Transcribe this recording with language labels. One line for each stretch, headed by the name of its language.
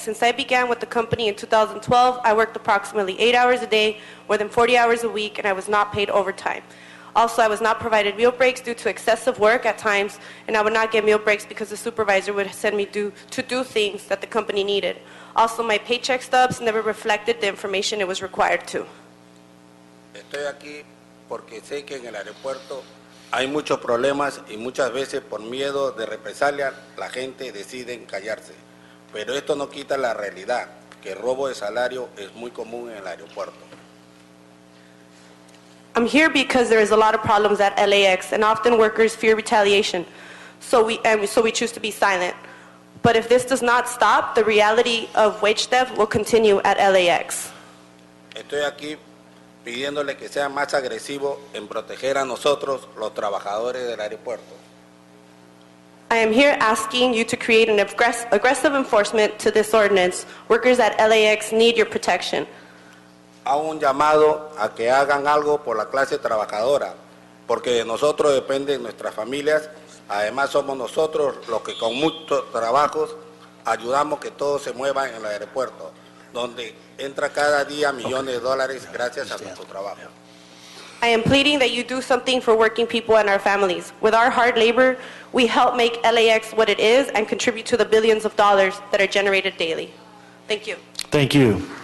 English: Since I began with the company in 2012, I worked approximately 8 hours a day, more than 40 hours a week, and I was not paid overtime. Also, I was not provided meal breaks due to excessive work at times, and I would not get meal breaks because the supervisor would send me to do things that the company needed. Also, my paycheck stubs never reflected the information it was required to.
Spanish: Estoy aquí porque sé que en el aeropuerto hay muchos problemas y muchas veces por miedo de represalia la gente decide callarse. Pero esto no quita la realidad, que el robo de salario es muy común en el aeropuerto.
English: I'm here because there is a lot of problems at LAX, and often workers fear retaliation, so we choose to be silent. But if this does not stop, the reality of wage theft will continue at LAX.
Spanish: Estoy aquí pidiéndole que sea más agresivo en proteger a nosotros, los trabajadores del aeropuerto.
English: I am here asking you to create an aggressive enforcement to this ordinance. Workers at LAX need your protection.
Spanish: Hago un llamado a que hagan algo por la clase trabajadora, porque de nosotros dependen nuestras familias. Además, somos nosotros los que con muchos trabajos ayudamos que todo se mueva en el aeropuerto, donde entra cada día millones de dólares gracias a nuestro trabajo.
English: I am pleading that you do something for working people and our families. With our hard labor, we help make LAX what it is and contribute to the billions of dollars that are generated daily. Thank you. Thank you.